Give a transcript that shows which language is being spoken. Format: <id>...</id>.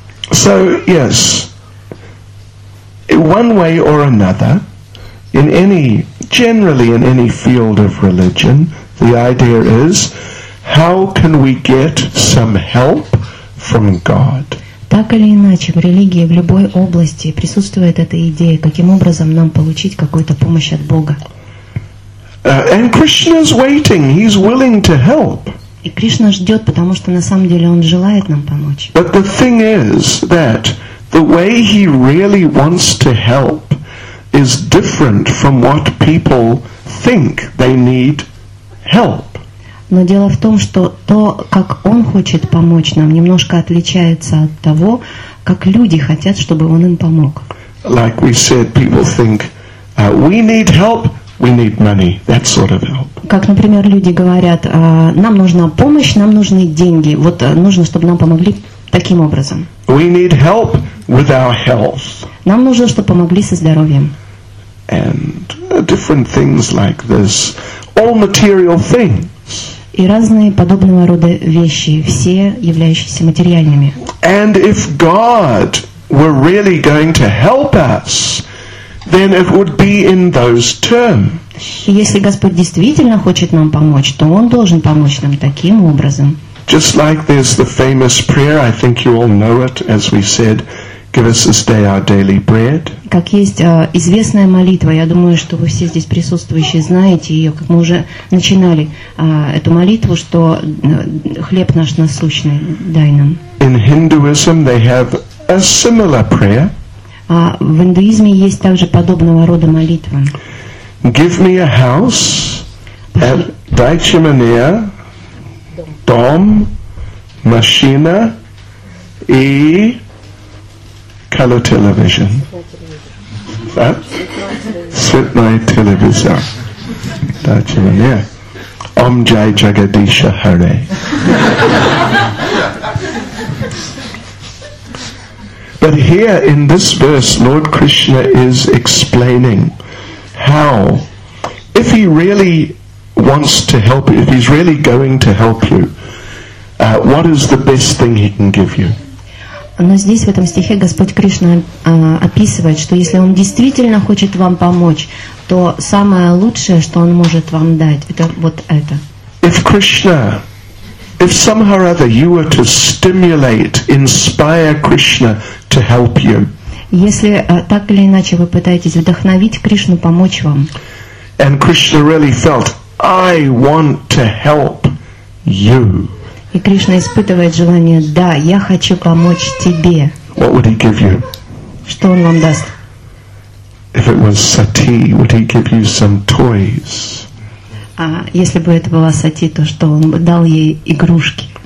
<en>So, yes, one way or another, generally in any field of religion, the idea is, how can we get some help from God.</en> <ru>Так или иначе, в религии, в любой области присутствует эта идея, каким образом нам получить какую-то помощь от Бога.</ru> <en>And Krishna's waiting. He's willing to help.</en> <ru>И Кришна ждет, потому что на самом деле Он желает нам помочь.</ru> <en>But the thing is that the way He really wants to help is different from what people think they need help.</en> <ru>Но дело в том, что то, как Он хочет помочь нам, немножко отличается от того, как люди хотят, чтобы Он им помог.</ru> <en>Like we said, people think, we need help, we need money, that sort of help.</en> <ru>Как, например, люди говорят, нам нужна помощь, нам нужны деньги, вот нужно, чтобы нам помогли таким образом.</ru> <en>We need help with our health.</en> <ru>Нам нужно, чтобы помогли со здоровьем.</ru> <en>And different things like this, all material things.</en> <ru>И разные подобного рода вещи, все являющиеся материальными.</ru> <en>And if God were really going to help us, then it would be in those terms.</en> <ru>И если Господь действительно хочет нам помочь, то Он должен помочь нам таким образом.</ru> <en>Just like there's the famous prayer, I think you all know it, as we said, give us this day our daily bread.</en> <ru>Как есть известная молитва, я думаю, что вы все здесь присутствующие знаете ее, как мы уже начинали эту молитву, что хлеб наш насущный, дай нам.</ru> <en>In Hinduism they have a similar prayer.</en> <ru>В индуизме есть также подобного рода молитва.</ru> <en>Give me a house at Daichimaniya,</en> <ru>dom, machina и</ru> <en>color television. Svetlana televizor. Dachimaniya.</en> <hi>Om Jai Jagadisha Hare.</hi> <en>But here in this verse, Lord Krishna is explaining how, if he really wants to help you, if he's really going to help you, what is the best thing he can give you?</en> <ru>Но здесь, в этом стихе, Господь Кришна описывает, что если Он действительно хочет вам помочь, то самое лучшее, что Он может вам дать, это вот это.</ru> <en>If Krishna, if somehow or other you were to stimulate, inspire Krishna to help you.</en> <ru>Если так или иначе вы пытаетесь вдохновить Кришну помочь вам.</ru> <en>And Krishna really felt, I want to help you.</en> <ru>И Кришна испытывает желание, да, я хочу помочь тебе.</ru> <en>What would he give you?</en> <ru>Что он вам даст?</ru> <en>If it was Sati, would he give you some toys?</en> <ru>А если бы это была Сати, то что он бы дал ей игрушки?</ru>